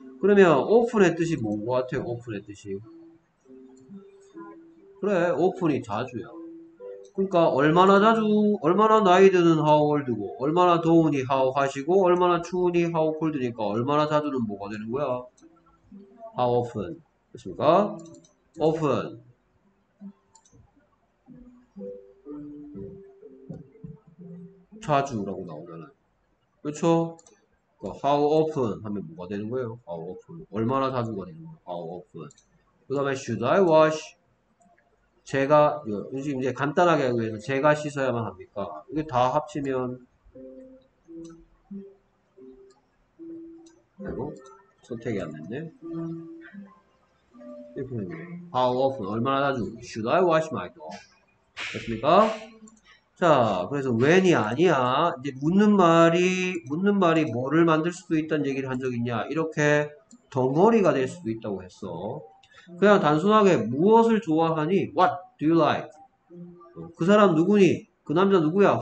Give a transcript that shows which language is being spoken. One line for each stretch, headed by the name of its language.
Korean: 그러면 오픈의 뜻이 뭔것 같아요? 오픈의 뜻이 그래 오픈이 자주야. 그러니까 얼마나 자주, 얼마나 나이 드는
English: how old
Korean: 고, 얼마나 더우니
English: how hot
Korean: 이고, 얼마나 추우니
English: how cold
Korean: 니까 얼마나 자주는 뭐가 되는 거야?
English: How often
Korean: 그렇습니까?
English: Often.
Korean: 자주라고 나오잖아요. 그렇죠?
English: How often
Korean: 하면 뭐가 되는 거예요?
English: How often.
Korean: 얼마나 자주가 되는 거예요?
English: How often.
Korean: 그 다음에
English: should I wash?
Korean: 제가, 이제 간단하게 얘기해서 제가 씻어야만 합니까? 이게 다 합치면, 아이고, 선택이 안 됐네. 이렇게
English: How often,
Korean: 얼마나 자주,
English: should I wash my dog?
Korean: 됐습니까? 자, 그래서 when이 아니야. 이제 묻는 말이 뭐를 만들 수도 있다는 얘기를 한적 있냐. 이렇게 덩어리가 될 수도 있다고 했어. 그냥 단순하게 무엇을 좋아하니?
English: What do you like?
Korean: 그 사람 누구니? 그 남자 누구야?